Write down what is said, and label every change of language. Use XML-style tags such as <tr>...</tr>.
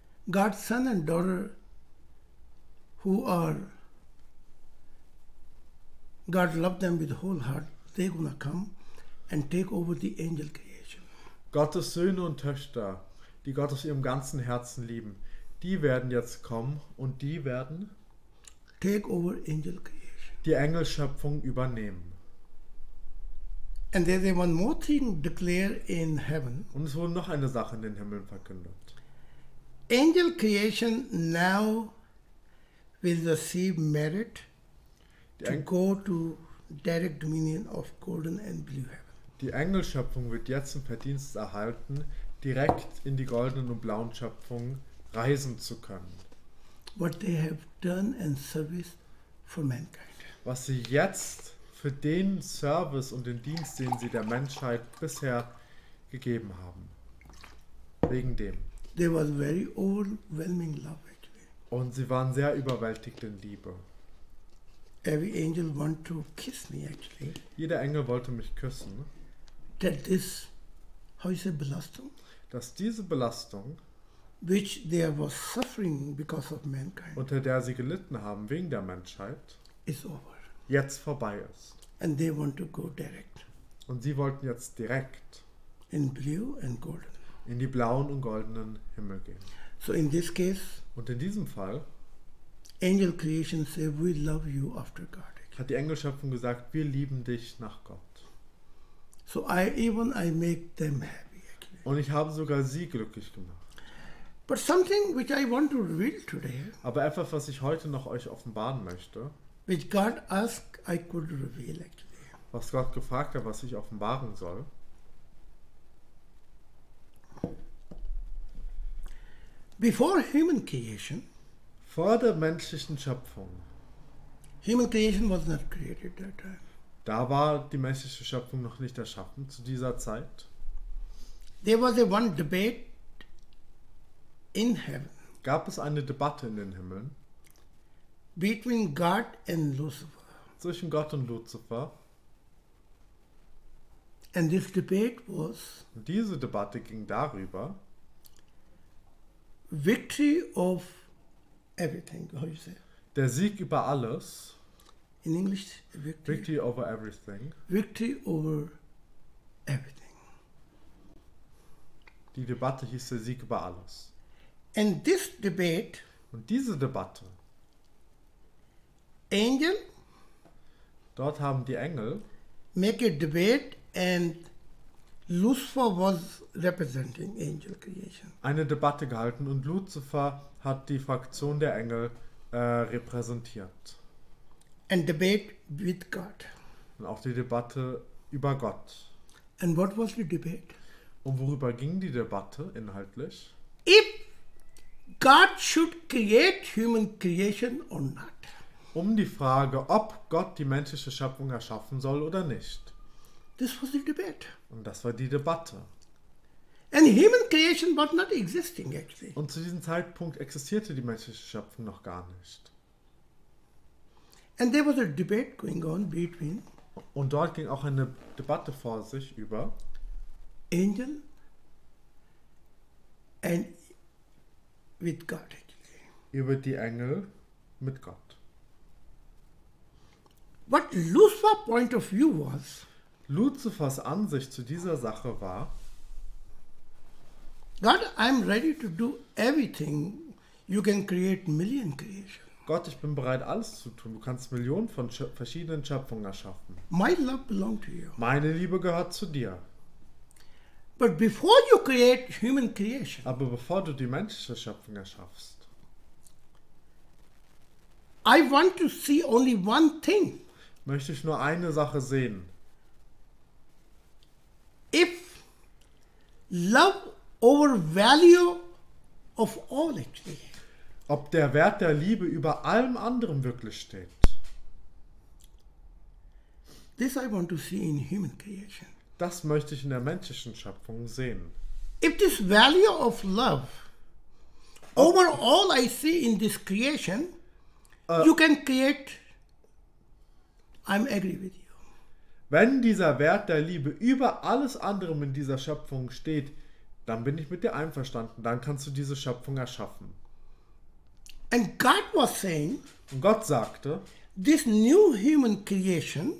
<en>God's son and daughter, who are God loved them with whole heart, they gonna come and take over the angel creation.</en> <de>Gottes Söhne und Töchter, die Gott aus ihrem ganzen Herzen lieben, die werden jetzt kommen und die werden</de> <en>take over angel creation.</en> <de>Die Engelschöpfung übernehmen.</de> <en>And there's one more thing declared in heaven.</en> <de>Und es wurde noch eine Sache in den Himmeln verkündet.</de> <en>Angel creation now will receive merit to go to direct dominion of golden and blue heaven.</en> <de>Die Engelschöpfung wird jetzt im Verdienst erhalten, direkt in die goldenen und blauen Schöpfungen reisen zu können.</de> <en>What they have done and service for mankind.</en> <de>Was sie jetzt für den Service und den Dienst, den sie der Menschheit bisher gegeben haben. Wegen dem.</de> <en>There was very overwhelming love actually.</en> <de>Und sie waren sehr überwältigt in Liebe.</de> <en>Every angel want to kiss me actually.</en> <de>Jeder Engel wollte mich küssen.</de> <en>That this, how is it, Belastung?</en> <de>Dass diese Belastung,</de> <en>which they were suffering because of mankind,</en> <de>unter der sie gelitten haben wegen der Menschheit,</de> <en>is over.</en> <de>Jetzt vorbei ist.</de> <en>And they want to go direct.</en> <de>Und sie wollten jetzt direkt</de> <en>in blue and golden.</en> <de>In die blauen und goldenen Himmel gehen.</de> <en>So in this case,</en> <de>und in diesem Fall,</de> <en>angel creation say we love you after God.</en> <de>Hat die Engelschöpfung gesagt, wir lieben dich nach Gott.</de> <en>So I make them happy.</en> <de>Und ich habe sogar sie glücklich gemacht.</de> <en>But something which I want to reveal today.</en> <de>Aber etwas, was ich heute noch euch offenbaren möchte.</de> <en>Which God asked I could reveal actually.</en> <de>Was Gott gefragt hat, was ich offenbaren soll.</de> <en>Before human creation.</en> <de>Vor der menschlichen Schöpfung.</de> <en>Human creation was not created at that time.</en> <de>Da war die menschliche Schöpfung noch nicht erschaffen zu dieser Zeit.</de> <en>There was a one debate in heaven.</en> <de>Gab es eine Debatte in den Himmeln?</de> <en>Between God and Lucifer.</en> <de>Zwischen Gott und Lucifer.</de> <en>And this debate was.</en> <de>Und diese Debatte ging darüber.</de> <en>Victory of everything. How you say?</en> <de>Der Sieg über alles.</de> <en>In English, victory. Victory over everything. Victory over everything.</en> <de>Die Debatte hieß der Sieg über alles.</de> <en>And this debate.</en> <de>Und diese Debatte.</de> <en>Angel.</en> <de>Dort haben die Engel.</de> <en>Make a debate and Lucifer was representing angel creation.</en> <de>Eine Debatte gehalten und Lucifer hat die Fraktion der Engel repräsentiert.</de> <en>And debate with God.</en> <de>Und auch die Debatte über Gott.</de> <en>And what was the debate?</en> <de>Und worüber ging die Debatte inhaltlich?</de> <en>If God should create human creation or not.</en> <de>Um die Frage, ob Gott die menschliche Schöpfung erschaffen soll oder nicht.</de> <en>This was the debate.</en> <de>Und das war die Debatte.</de> <en>And human creation was not existing actually.</en> <de>Und zu diesem Zeitpunkt existierte die menschliche Schöpfung noch gar nicht.</de> <en>And there was a debate going on between.</en> <de>Und dort ging auch eine Debatte vor sich über</de> <en>Angel and with God.</en> <de>Über die Engel mit Gott.</de> <en>What Lucifer point of view was?</en> <de>Lucifers Ansicht zu dieser Sache war:</de> <en>God, I'm ready to do everything. You can create million creation.</en> <de>Gott, ich bin bereit, alles zu tun. Du kannst Millionen von verschiedenen Schöpfungen erschaffen.</de> <en>My love belong to you.</en> <de>Meine Liebe gehört zu dir.</de> <en>But before you create human creation,</en> <de>aber bevor du die menschliche Schöpfung erschaffst,</de> <en>I want to see only one thing.</en> <de>Möchte ich nur eine Sache sehen.</de> <en>If love over value of all actually.</en> <de>Ob der Wert der Liebe über allem anderen wirklich steht.</de> <en>This I want to see in human creation.</en> <de>Das möchte ich in der menschlichen Schöpfung sehen.</de> <en>If this value of love over all I see in this creation, you can create. I'm agree with you.</en> <de>Wenn dieser Wert der Liebe über alles anderem in dieser Schöpfung steht, dann bin ich mit dir einverstanden. Dann kannst du diese Schöpfung erschaffen.</de> <en>And God was saying,</en> <de>und Gott sagte,</de> <en>this new human creation,</en>